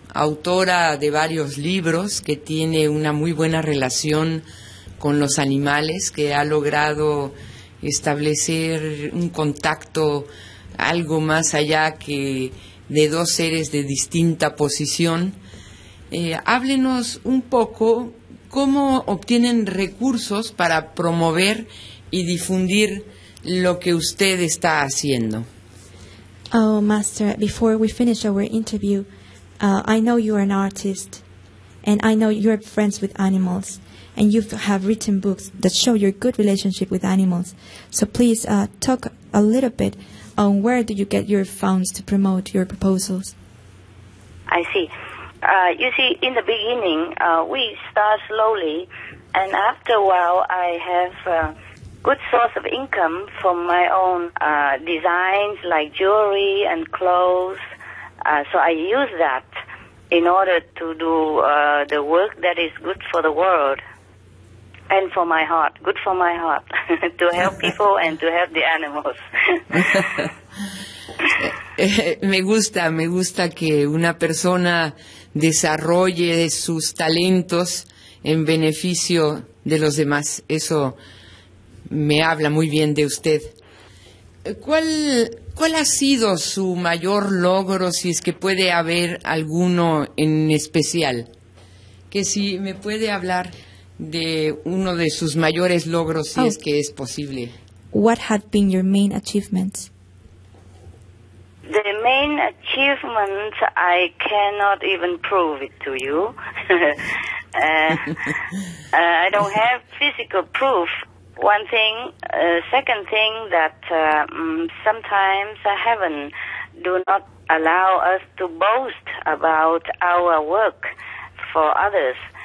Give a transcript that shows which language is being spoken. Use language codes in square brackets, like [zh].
[es] autora de varios libros, que tiene una muy buena relación con los animales, que ha logrado establecer un contacto algo más allá que de dos seres de distinta posición. Háblenos un poco cómo obtienen recursos para promover y difundir lo que usted está haciendo. [en] Oh, Master, before we finish our interview, I know you are an artist, and I know you're friends with animals, and you have written books that show your good relationship with animals. So please talk a little bit on where do you get your funds to promote your proposals. I see. You see, in the beginning, we start slowly, and after a while, I have a good source of income from my own designs, like jewelry and clothes. So I use that in order to do the work that is good for the world and for my heart, good for my heart, to help people and to help the animals. [es] me gusta que una persona desarrolle sus talentos en beneficio de los demás. Eso me habla muy bien de usted. ¿Cuál ha sido su mayor logro, si es que puede haber alguno en especial? Que si me puede hablar de uno de sus mayores logros, si es que es posible. [en] What had been your main achievements? The main achievement, I cannot even prove it to you. I don't have physical proof. One thing, second thing, that sometimes heaven do not allow us to boast about our work for others.